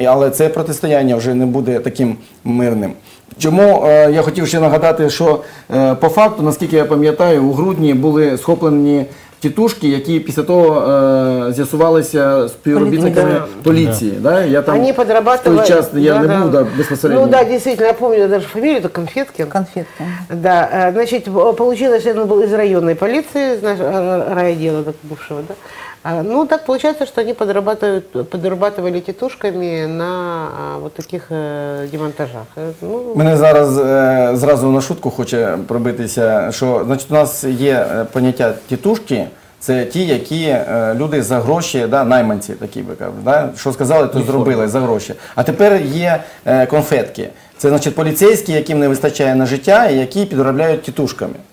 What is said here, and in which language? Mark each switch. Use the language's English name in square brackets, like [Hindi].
[Ukrainian] Але це протистояння вже не буде таким мирним. Чому я хотів ще нагадати, що по факту, наскільки я пам'ятаю, у грудні були схоплені тітушки, які після того з'ясувалися співробітниками поліції. Да. Да? Я там вони підробляли... в той час я не був безпосередньо. Ну так, да, дійсно, я пам'ятаю навіть фамілію, то Конфеткін. Конфеткін. Да. Значить, вийшло, що він був із районної поліції, знаєш, райділу бувшого. Да? [Russian] Ну так получается, что они подрабатывали тетушками на вот таких демонтажах. Ну, [Ukrainian] мене зараз зразу на шутку хоче пробитися, що значить у нас є поняття тітушки, це ті, які люди за гроші, да, найманці такі би кажуть, да, що сказали, то зробили за гроші. А тепер є конфетки. Це значить поліцейські, яким не вистачає на життя, і які підробляють тітушками.